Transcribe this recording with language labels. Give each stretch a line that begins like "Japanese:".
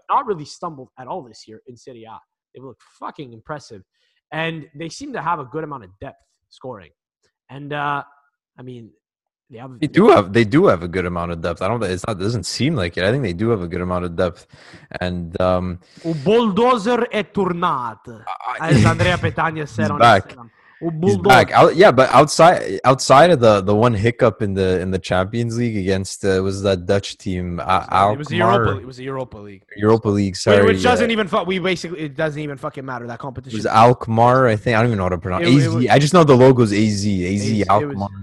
English: Not really stumbled at all this year in Serie A. They look fucking impressive. And they seem to have a good amount of depth scoring. And, I mean, they do have a good amount of depth. It doesn't seem like it. I think they do have a good amount of depth. And
Italian: bulldozer è tornato,
English: as Andrea Petagna said on back. Instagram. He's back. But outside of the one hiccup in the Champions League against was that Dutch team? It was a Europa League. Sorry, which doesn't even it doesn't even fucking matter, that competition. It was Alkmaar, I think. I don't even know how to pronounce AZ. I just know the logo is AZ Alkmaar.